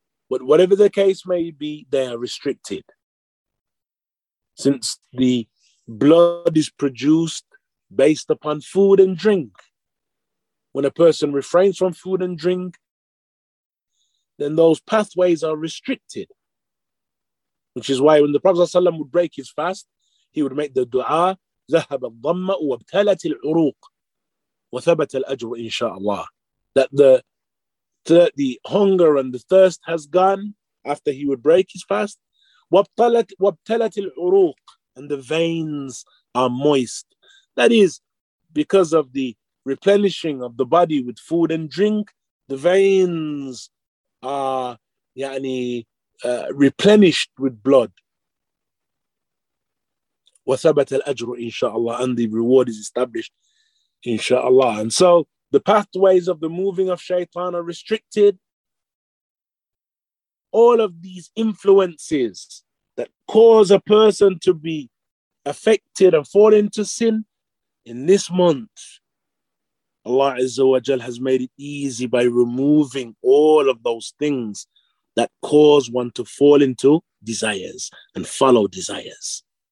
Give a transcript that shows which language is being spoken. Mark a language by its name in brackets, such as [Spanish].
[English] But whatever the case may be, they are restricted. Since the blood is produced based upon food and drink, when a person refrains from food and drink, then those pathways are restricted. Which is why when the Prophet ﷺ would break his fast, he would make the dua, [Arabic] ذهب الضمة وابتلت العروق وثبت الأجر إن شاء الله. [English] That the hunger and the thirst has gone after he would break his fast. [Arabic] وابتلت العروق, [English] and the veins are moist. That is because of the replenishing of the body with food and drink, the veins are replenished with blood. [Arabic] وثبت الأجر إن شاء الله, [English] and the reward is established [Arabic] إن شاء الله. [English] And so the pathways of the moving of shaitan are restricted. All of these influences that cause a person to be affected and fall into sin, in this month, Allah Azza wa Jal has made it easy by removing all of those things that cause one to fall into desires and follow desires.